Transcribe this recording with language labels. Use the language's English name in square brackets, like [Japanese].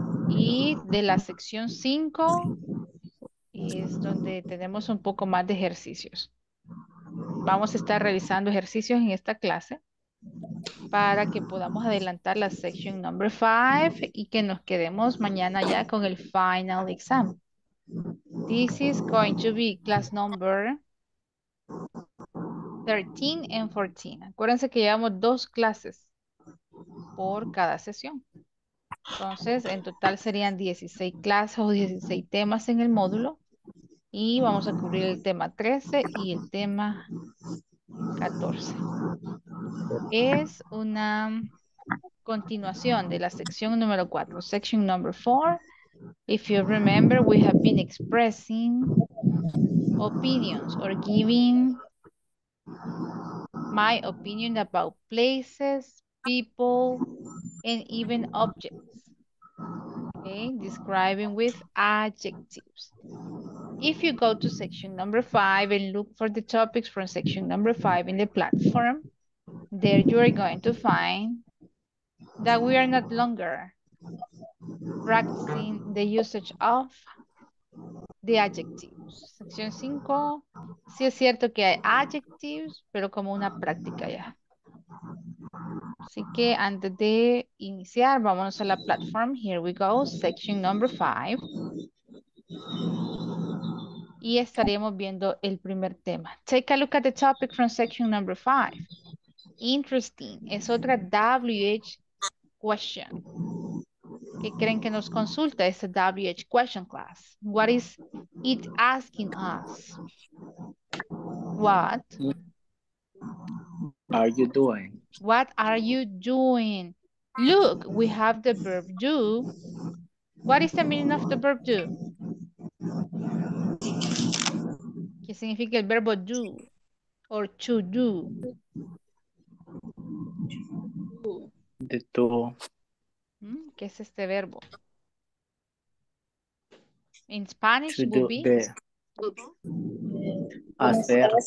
[Spanish] Y de la sección 5 es donde tenemos un poco más de ejercicios. Vamos a estar revisando ejercicios en esta clase para que podamos adelantar la [English] section number 5 [Spanish] y que nos quedemos mañana ya con el [English] final exam. This is going to be class number 13 and 14. [Spanish] Acuérdense que llevamos dos clases por cada sesión. Entonces, en total serían 16 clases o 16 temas en el módulo y vamos a cubrir el tema 13 y el tema 14. Es una continuación de la sección número 4, [English] section number 4. If you remember, we have been expressing opinions or giving my opinion about places, people, and even objects. Okay, describing with adjectives. If you go to section number 5 and look for the topics from section number 5 in the platform, there you are going to find that we are no longer practicing the usage of the adjectives. [Spanish] Sección 5, sí es cierto que hay adjectives, pero como una práctica ya. Así que antes de iniciar, vámonos a la plataforma. [English] Here we go, section number 5. [Spanish] Y estaríamos viendo el primer tema. [English] Take a look at the topic from section number 5. Interesting. [Spanish] Es otra WH question. ¿Qué creen que nos consulta esta WH question class? [English] What is it asking us? What? Are you doing? What are you doing? Look, we have the verb do. What is the meaning of the verb do? [Spanish] ¿Qué significa el verbo do [English] or to do? [Spanish] De todo. ¿Qué es este verbo? [English] In Spanish To would do be the hacer.